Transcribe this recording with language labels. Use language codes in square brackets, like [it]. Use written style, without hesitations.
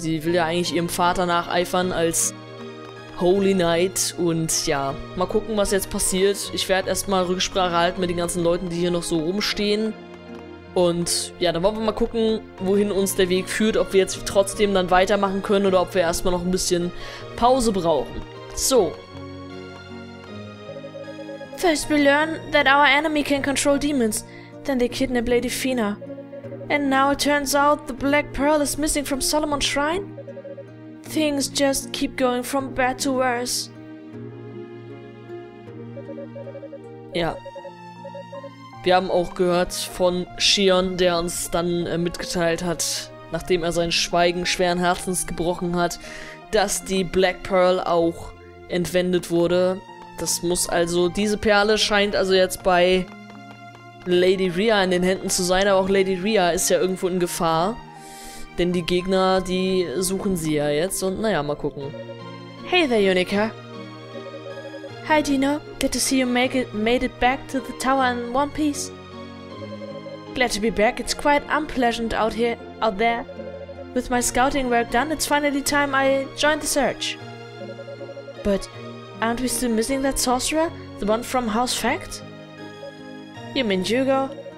[de] Sie will ja eigentlich ihrem Vater nacheifern als Holy Knight und ja, mal gucken, was jetzt passiert. Ich werde erstmal Rücksprache halten mit den ganzen Leuten, die hier noch so rumstehen. Und ja, dann wollen wir mal gucken, wohin uns der Weg führt, ob wir jetzt trotzdem dann weitermachen können oder ob wir erstmal noch ein bisschen Pause brauchen. So. [en] First we learn that our enemy can control demons. Then they kidnap Lady Feena. And now it turns out the Black Pearl is missing from Solomon's Shrine? Things just keep going from bad to worse. [de] Ja. Wir haben auch gehört von Shion, der uns dann mitgeteilt hat, nachdem er sein Schweigen schweren Herzens gebrochen hat, dass die Black Pearl auch entwendet wurde. Das muss also, diese Perle scheint also jetzt bei Lady Rhea in den Händen zu sein, aber auch Lady Rhea ist ja irgendwo in Gefahr. Denn die Gegner, die suchen sie ja jetzt und naja, mal gucken. [en] Hey there, Yunica. Hi, Dino. Good to see you made it back to the tower in one piece. Glad to be back. It's quite unpleasant out there. With my scouting work done, it's finally time I joined the search. But aren't we still missing that sorcerer? The one from House Fact? You mean Hugo?